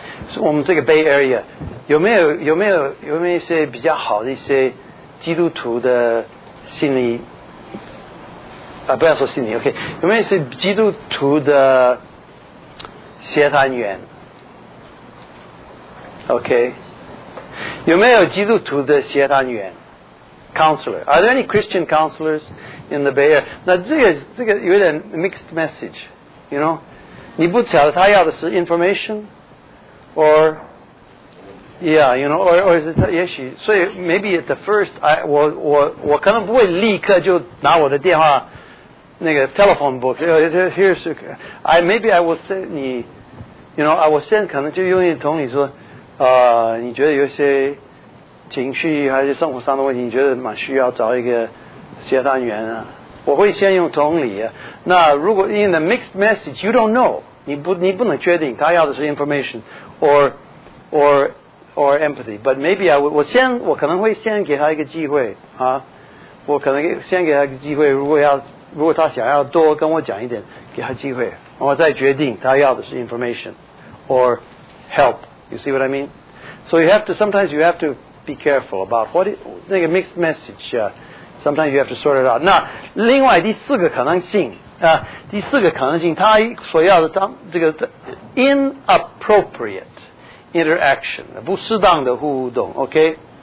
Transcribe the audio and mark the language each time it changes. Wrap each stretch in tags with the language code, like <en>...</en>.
<zh>是我们这个 Bay Area 有没有一些比较好的一些基督徒的心理啊，不要说心理 OK 有没有一些基督徒的协谈员OK, 有没有基督徒的协谈员 counselor?</zh> <en>Are there any Christian counselors in the Bay Area? 那这个有点 mixed message, you know?</en> <zh>你不晓得他要的是 information? Or, yeah, you know, or is it, 也许，所以 maybe at the first, 我可能不会立刻就拿我的电话那个 telephone book, here's, maybe I will say 你 you know, I will say 可能就用一同你说你觉得有些情绪还是生活上的问题，你觉得蛮需要找一个协谈员啊？我会先用同理啊。那如果 in the mixed message, you don't know, 你不能确定他要的是 information or empathy, but maybe I 可能会先给他一个机会啊，我可能先给他一个机会，如果他想要多跟我讲一点，给他机会，我再决定他要的是 information or help.</zh> <en>You see what I mean? So you have to, sometimes you have to be careful about what is, 那个 mixed message, sometimes you have to sort it out.</en> <zh>那另外第四个可能性第四个可能性他所要的当这个 inappropriate interaction, 不适当的互动 ,OK?</zh>